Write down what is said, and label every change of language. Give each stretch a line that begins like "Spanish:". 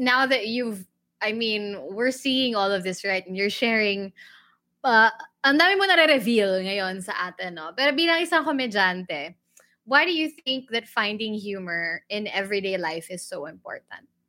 English: Now that we're seeing all of this, right? And you're sharing.
Filipino: Ang dami mo nare-reveal ngayon sa atin, no? Pero bilang isang komedyante,
English: why do you think that finding humor in everyday life is so important?